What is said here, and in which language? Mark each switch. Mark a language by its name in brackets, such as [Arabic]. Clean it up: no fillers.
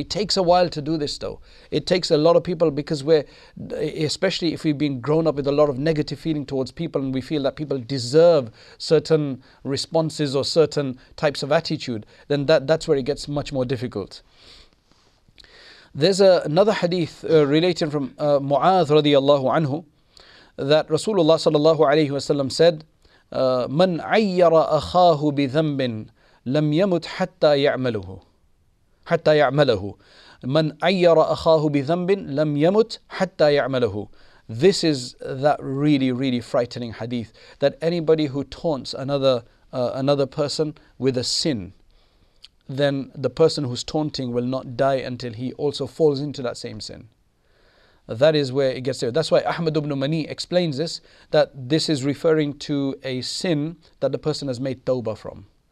[English] It takes a while to do this though. It takes a lot of people, because especially if we've been grown up with a lot of negative feeling towards people and we feel that people deserve certain responses or certain types of attitude, then that's where it gets much more difficult. There's another hadith relating from Mu'adh radiallahu anhu, that Rasulullah sallallahu alayhi wasallam said, [Arabic] مَنْ عَيَّرَ أَخَاهُ بِذَنْبٍ لَمْ يَمُتْ حَتَّى يَعْمَلُهُ حتى يعمله من عير أخاه بذنب لم يمت حتى يعمله. [English] This is that really, really frightening hadith, that anybody who taunts another person with a sin, then the person who's taunting will not die until he also falls into that same sin. That is where it gets there. That's why Ahmad ibn Mani explains this, that this is referring to a sin that the person has made tawbah from.